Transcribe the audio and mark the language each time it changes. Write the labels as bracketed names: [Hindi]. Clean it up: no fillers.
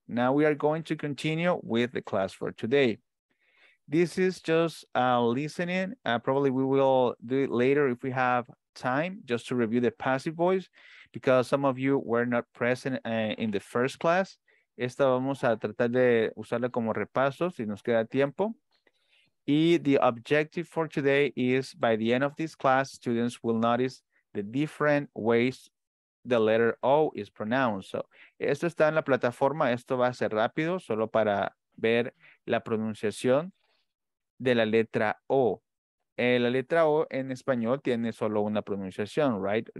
[English] Now we are going to continue with the class for today. This is just listening. Probably we will do it later if we have time, just to review the passive voice, because some of you were not present in the first class. [Spanish] Esta vamos a tratar de usarla como repaso, si nos queda tiempo. [English] Y the objective for today is, by the end of this class, students will notice the different ways the letter O is pronounced. [Spanish] So, esto está en la plataforma, esto va a ser rápido, solo para ver la pronunciación de la letra O. La letra O en español tiene solo una pronunciación, right?